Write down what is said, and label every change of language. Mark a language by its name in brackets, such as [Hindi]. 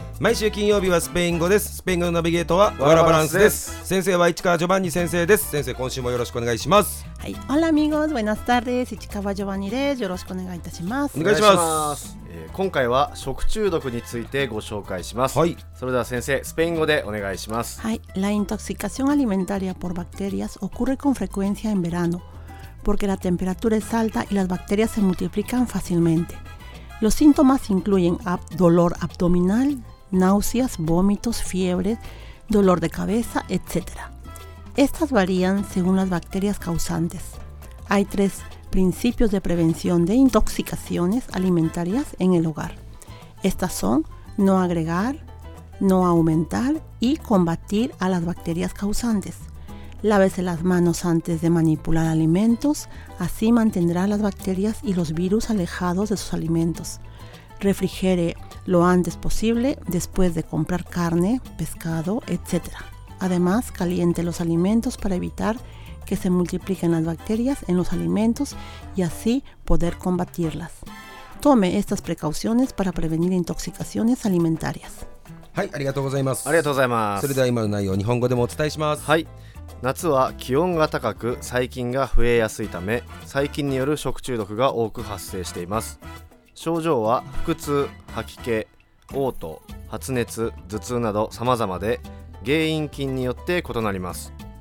[Japanese] 毎週金曜日はスペイン語です。スペイン語のナビゲートはワラバランスです。先生は市川ジョバンニ先生です。先生、今週もよろしくお願いします。はい、オラアミゴス、ブエナスタルです。市川ジョバンニです。よろしくお願いいたします。お願いします。今回は食中毒についてご紹介します。はい、それでは先生、スペイン語でお願いします。 [Spanish] はい、La intoxicación alimentaria por bacterias ocurre con frecuencia en veranoPorque la temperatura es alta y las bacterias se multiplican fácilmente. Los síntomas incluyen dolor abdominal, náuseas, vómitos, fiebre, dolor de cabeza, etc. Estas varían según las bacterias causantes. Hay tres principios de prevención de intoxicaciones alimentarias en el hogar. Estas son no agregar, no aumentar y combatir a las bacterias causantes. Lávese las manos antes de manipular alimentos, así mantendrá las bacterias y los virus alejados de sus alimentos. Refrigere lo antes posible después de comprar carne, pescado, etc. Además, caliente los alimentos para evitar que se multipliquen las bacterias en los alimentos y así poder combatirlas. Tome estas precauciones para prevenir intoxicaciones alimentarias. [Japanese] はい、ありがとうございます。ありがとうございます。それでは今の内容を日本語でもお伝えします。はい。夏は気温が高く細菌が増えやすいため細菌による食中毒が多く発生しています。症状は腹痛、吐き気、嘔吐、発熱、頭痛など様々で原因菌によって異なります。